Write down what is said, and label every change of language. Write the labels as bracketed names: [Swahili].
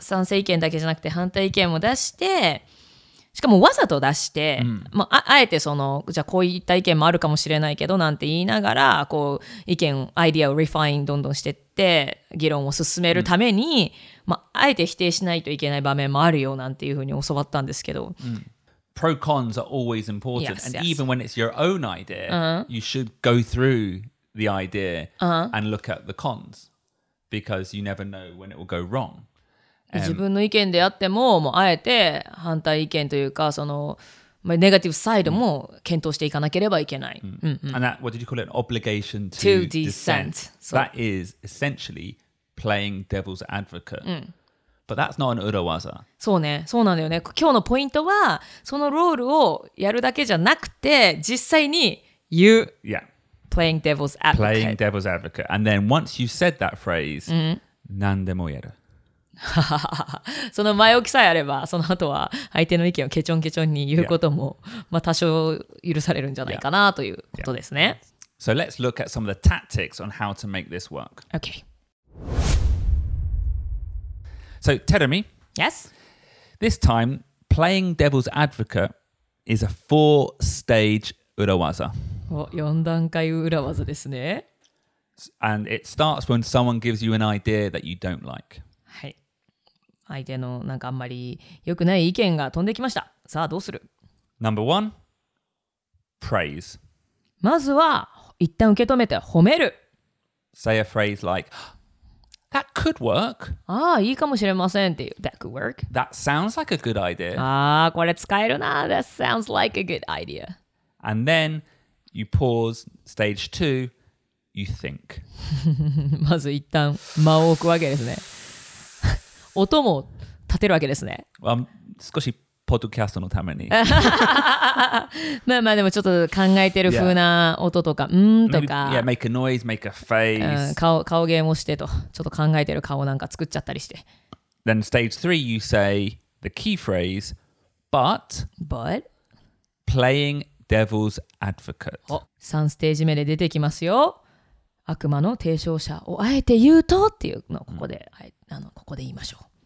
[Japanese] 賛成意見だけじゃなくて反対意見も出してしかもわざと出して、mm. まあ、あえてそのじゃあこういった意見もあるかもしれないけどなんて言いながらこう意見アイディアを refine どんどんしてって議論を進めるために、mm. まあ、あえて否定しないといけない場面もあるよなんていうふうに教わったんですけど、 [English] mm. Pro cons are always important yes, yes. And even when it's your own idea、uh-huh. You should go through the idea、uh-huh. And look at the cons Because you never know when it will go wrong [Japanese] 自分の意見であっても、もうあえて反対意見というか、その、ネガティブサイドも検討していかなければいけない。 Mm. うん、 [English] And that, what did you call it? Obligation to dissent. That is essentially playing devil's advocate.、うん、 But that's not an urawaza. [Japanese] そうね、そうなんだよね。今日のポイントは、そのロールをやるだけじゃなくて、実際に言う。 [English] Yeah. Playing devil's advocate. Playing devil's advocate. And then once you said that phrase,、うん、 [Japanese] 何でもやる。その前置きさえあればその後は相手の意見をケチョンケチョンに言うことも、yeah. まあ多少許されるんじゃないかな、yeah. ということですね、yeah. [English] So let's look at some of the tactics on how to make this work Okay So Terumi Yes This time playing devil's advocate is a four stage urawaza [Japanese] 4段階裏技ですね。 [English] And it starts when someone gives you an idea that you don't like. [Japanese] はい。相手のなんかあんまり良くない意見が飛んできました。さあどうする？ [English] Number one, praise. [Japanese] まずは一旦受け止めて褒める。 [English] Say a phrase like, that could work. [Japanese] ああ、いいかもしれませんっていう。 [English] That could work. That sounds like a good idea. [Japanese] ああ、これ使えるな。 [English] That sounds like a good idea. And then you pause, stage two, you think. [Japanese] まず一旦間を置くわけですね。音も立てるわけですね。少しポッドキャストのためにまあまあでもちょっと考えてる風な音とか、yeah. んーとか [English] Maybe, yeah, make a noise, make a face、 [Japanese] 顔ゲームをしてとちょっと考えてる顔なんか作っちゃったりして [English] Then stage three, you say the key phrase But But Playing devil's advocate [Japanese] お、3ステージ目で出てきますよ悪魔の提唱者をあえて言うとっていうのをここで、ここで言いましょう